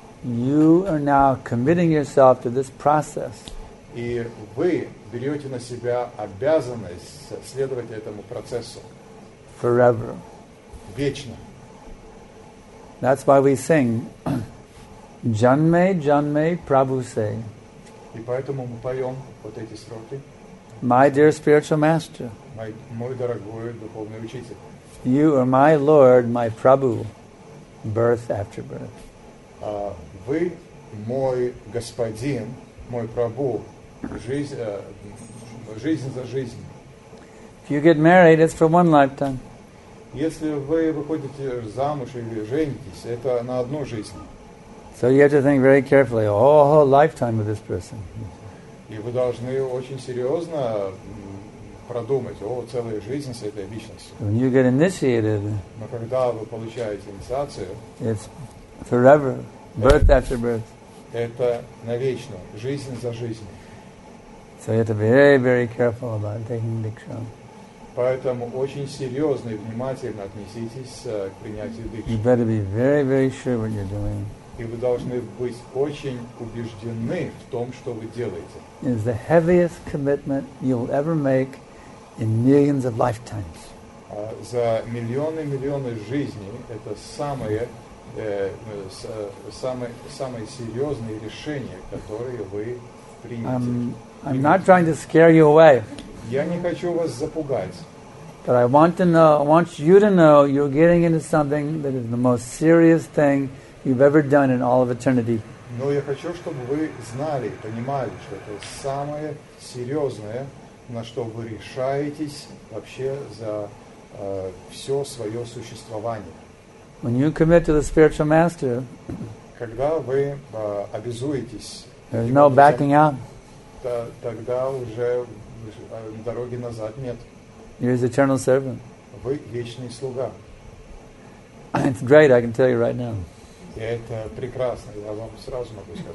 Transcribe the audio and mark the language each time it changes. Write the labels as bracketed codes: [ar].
[en] You are now committing yourself to this process. [ru] И вы берете на себя обязанность следовать этому процессу. [en] Forever. [ru] Вечно. [en] That's why we sing Janme, Janme, Prabhu Se. [ru] И поэтому мы поем вот эти строки. [en] My dear spiritual master. [ru] Мой дорогой духовный учитель. [en] You are my Lord, my Prabhu, birth after birth. [ru] Вы мой господин, мой Прабху, жизнь за жизнь. [en] If you get married, it's for one lifetime. [ru] Если вы выходите замуж или женитесь, это на одну жизнь. [en] So you have to think very carefully, whole lifetime with this person. [ru] И вы должны очень серьезно продумать, целая жизнь с этой личностью. [en] When you get initiated, [ru] но когда вы получаете инициацию, [en] it's forever, birth after birth. [ru] Это навечно, жизнь за жизнь. [en] So you have to be very, very careful about taking diksha. [ru] Поэтому очень серьезно и внимательно отнеситесь к принятию дикши. [en] You better be very, very sure what you're doing. [ru] И вы должны быть очень убеждены в том, что вы делаете. [en] It's the heaviest commitment you'll ever make in millions of lifetimes. [ru] За миллионы и миллионы жизней это самое серьезное решение, которое вы примете. [en] I'm not trying to scare you away. [ru] Я не хочу вас запугать. [en] But I want you to know you're getting into something that is the most serious thing you've ever done in all of eternity. [ru] Но я хочу, чтобы вы знали, понимали, что это самое серьезное, на что вы решаетесь вообще за все свое существование. [en] When you commit to the spiritual master, [ru] когда вы обязуетесь, [en] there's no backing out. [ru] Тогда уже дороги назад нет. [en] You're his eternal servant. [ru] Вы вечный слуга. [en] It's great, I can tell you right now. [ru] Это прекрасно, я вам сразу могу сказать.